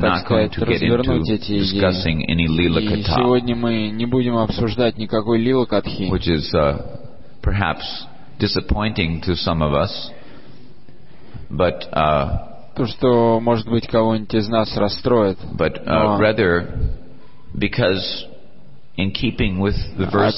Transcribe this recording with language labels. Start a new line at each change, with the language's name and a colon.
Russian: так сказать, развернуть эти идеи.
English: Any
Russian: и сегодня мы не будем обсуждать никакой лила-катхи,
English: which is, perhaps disappointing to some of us, but,
Russian: то, что, может быть, кого-нибудь из нас расстроит.
English: But, rather, because in keeping with the verse